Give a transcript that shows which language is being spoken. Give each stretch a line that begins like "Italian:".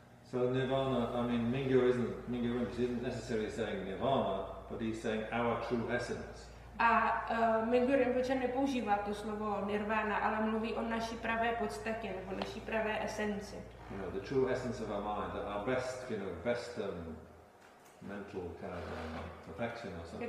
English: So nirvana, I mean, Mingyo Rinpoche isn't necessarily saying nirvana, but he's saying our true essence.
Czech: A Mingyo Rinpoche nepoužívá to slovo nirvana, ale mluví o naší pravé podstatě, nebo naší pravé esenci.
English: You know, the true essence of our mind, our best, you know, best mental kind of perfection or something.